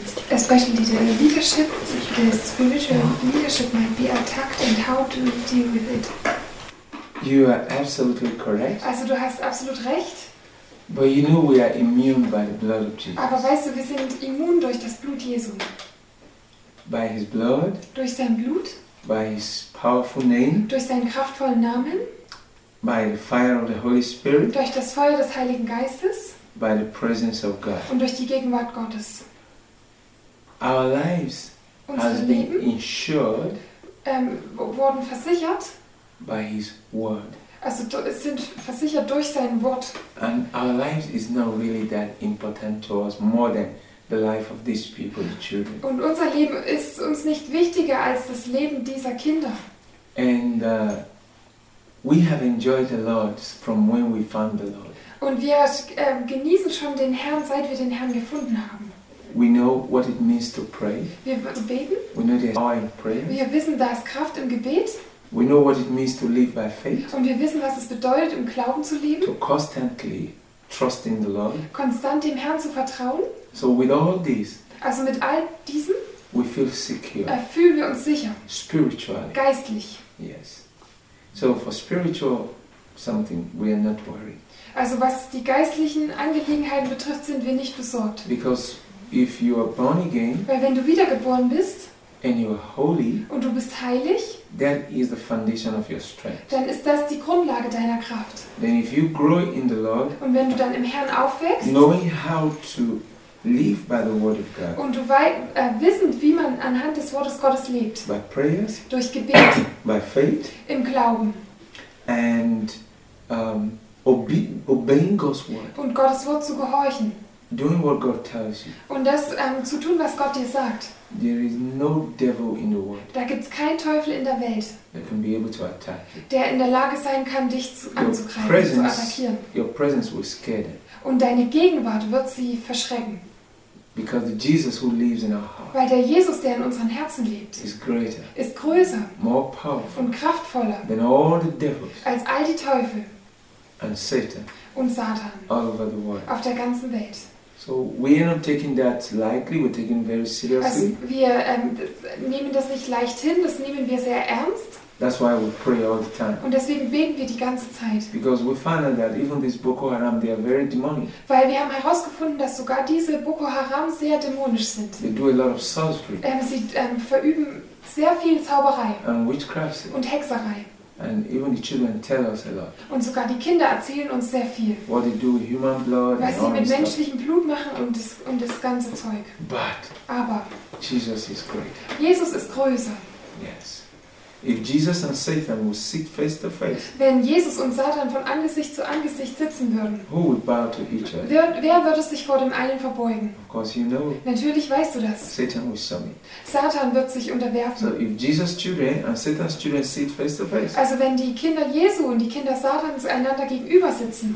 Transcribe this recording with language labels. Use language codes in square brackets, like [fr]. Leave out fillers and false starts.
[en] Especially the leadership, the spiritual leadership might be attacked, and how do we deal with it? You are absolutely correct. [de] Also du hast absolut recht. [en] But you know we are immune by the blood of Jesus. [de] Aber weißt du, wir sind immun durch das Blut Jesu. [en] By his blood. [de] Durch sein Blut. [en] By his powerful name. [de] Durch seinen kraftvollen Namen. [en] By the fire of the Holy Spirit. [de] Durch das Feuer des Heiligen Geistes. [en] By the presence of God. [de] Und durch die Gegenwart Gottes. [en] Our lives has been insured. [de] Wurden versichert. [en] By His Word. [de] Also sind versichert durch sein Wort. [en] And our lives is not really that important to us more than the life of these people, the children. [de] Und unser Leben ist uns nicht wichtiger als das Leben dieser Kinder. [en] And we have enjoyed the Lord from when we found the Lord. [de] Und wir genießen schon den Herrn, seit wir den Herrn gefunden haben. [en] We know what it means to pray. [de] Wir beten. [en] We know the power in prayer. [de] Wir wissen, da ist Kraft im Gebet. [en] We know what it means to live by faith. [de] Und wir wissen, was es bedeutet, im Glauben zu leben. [en] To constantly trust in the Lord. [de] Konstant dem Herrn zu vertrauen. [en] So with all these. [de] Also mit all diesen. [en] We feel secure. [de] Fühlen wir uns sicher. [en] Spiritually. [de] Geistlich. [en] Yes. So for spiritual something, we are not worried. [de] Also was die geistlichen Angelegenheiten betrifft, sind wir nicht besorgt. [en] Because if you are born again, [de] weil wenn du wiedergeboren bist, [en] and you are holy, [de] und du bist heilig, [en] that is the foundation of your strength. [de] Dann ist das die Grundlage deiner Kraft. [en] Then if you grow in the Lord, [de] und wenn du dann im Herrn aufwächst, [en] knowing how to live by the word of God, [de] und du wissend, wie man anhand des Wortes Gottes lebt, [en] by prayers, [de] durch Gebet, [en] by faith, [de] im Glauben, [en] and obeying God's word, [de] und Gottes Wort zu gehorchen. [en] Doing what God tells you. [de] Und das zu tun, was Gott dir sagt. [en] There is no devil in the world. [de] Da gibt's keinen Teufel in der Welt. [en] That can be able to attack you. [de] Der in der Lage sein kann, dich anzugreifen, zu attackieren. [en] Your presence will scare them. [de] Und deine Gegenwart wird sie verschrecken. [en] Because the Jesus who lives in our heart. [de] Weil der Jesus, der in unseren Herzen lebt, [en] is greater. [de] Ist größer. [en] More powerful. [de] Und kraftvoller. [en] Than all the devils. [de] Als all die Teufel. [en] And Satan. [de] Und Satan. [en] All over the world. [de] Auf der ganzen Welt. [en] So we are not taking that lightly, we're taking it very seriously. [de] Also wir nehmen das nicht leicht hin, das nehmen wir sehr ernst. [en] That's why we pray all the time. [de] Und deswegen beten wir die ganze Zeit. [en] Because we find out that even this Boko Haram, they are very demonic. [de] Weil wir haben herausgefunden, dass sogar diese Boko Haram sehr dämonisch sind. [en] They do a lot of sorcery. [de] Sie verüben sehr viel Zauberei. [en] And witchcraft. [de] Und Hexerei. [en] And even the children tell us a lot. [de] Und sogar die Kinder erzählen uns sehr viel. [en] What they do with human blood. [de] Was sie mit menschlichem Blut machen und das ganze Zeug. [en] But. [de] Aber. [en] Jesus is great. [de] Jesus ist größer. [en] Yes. If Jesus and Satan would sit face to face. [de] Wenn Jesus und Satan von Angesicht zu Angesicht sitzen würden. [en] Who would bow to each other? [de] Wer würde sich vor dem einen verbeugen? [en] Of course you know. [de] Natürlich weißt du das. [en] Satan would submit. [de] Satan wird sich unterwerfen. [en] So if Jesus' children and Satan's children sit face to face. [de] Also wenn die Kinder Jesu und die Kinder Satans einander gegenüber sitzen.